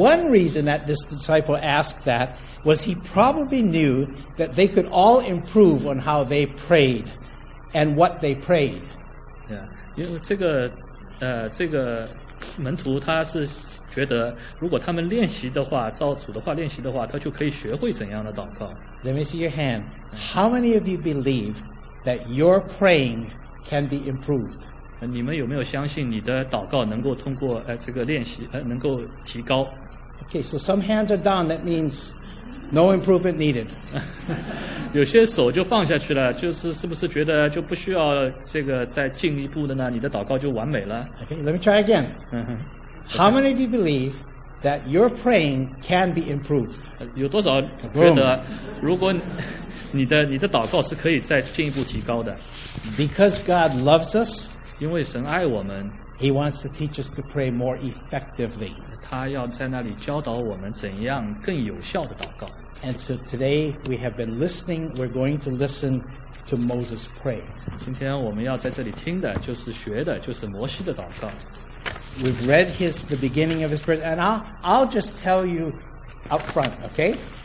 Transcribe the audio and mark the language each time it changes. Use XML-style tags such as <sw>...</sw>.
<en>reason that this disciple asked that was he probably knew that they could all improve on how they prayed and what they prayed.</en> <zh>因为这个门徒他是觉得，如果他们练习的话，照主的话练习的话，他就可以学会怎样的祷告。</zh> <en>Let me see your hand. How many of you believe that your praying can be improved?</en> <zh>你们有没有相信你的祷告能够通过这个练习能够提高？</zh> <en>Okay, so some hands are down, that means no improvement needed.</en> <zh>有些手就放下去了，就是是不是觉得就不需要这个再进一步的呢？你的祷告就完美了。</zh> <en>Okay, let me try again. How many do you believe that your praying can be improved?</en> <zh>有多少觉得如果你的祷告是可以再进一步提高的？</zh> <en>Because God loves us,</en> <zh>因为神爱我们，</zh> <en>He wants to teach us to pray more effectively.</en> <zh>他要在那里教导我们怎样更有效的祷告。</zh> <en>And so today we have been listening, we're going to listen to Moses pray.</en> <zh>今天我们要在这里听的就是学的就是摩西的祷告。</zh> <en>We've read the beginning of his prayer, and I'll just tell you up front, okay?</en>